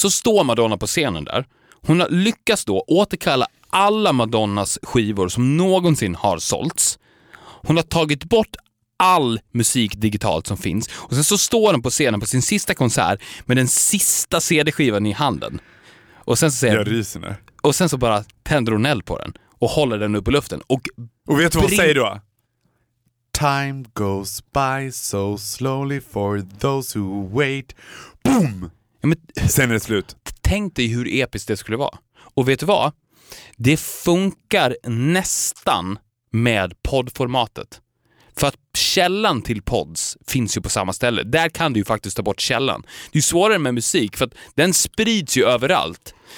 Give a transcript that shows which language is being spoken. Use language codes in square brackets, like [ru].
[sv] Så står Madonna på scenen där. Hon har lyckats då återkalla alla Madonnas skivor som någonsin har sålts. Hon har tagit bort all musik digitalt som finns. Och sen så står den på scenen på sin sista konsert med den sista CD-skivan i handen. Och sen så säger jag ryser nu. Och sen så bara tänder hon eld på den och håller den upp i luften. Och vet du vad hon säger då? [en] Time goes by so slowly for those who wait. Boom! [sv] Ja, men, sen är det slut. Tänk dig hur episkt det skulle vara. Och vet du vad? Det funkar nästan med poddformatet. För att källan till pods finns ju på samma ställe. Där kan du ju faktiskt ta bort källan. Det är ju svårare med musik för att den sprids ju överallt.